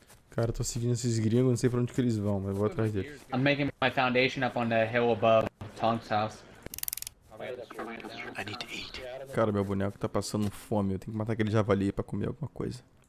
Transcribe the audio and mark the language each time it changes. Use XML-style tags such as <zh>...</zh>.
<pt>Cara, tô seguindo esses gringos, não sei pra onde que eles vão, mas vou atrás deles.</pt> <en>I'm making my foundation up on the hill above Tonk's house. I need to eat.</en> <pt>Cara, meu boneco tá passando fome, eu tenho que matar aquele javali pra comer alguma coisa.</pt>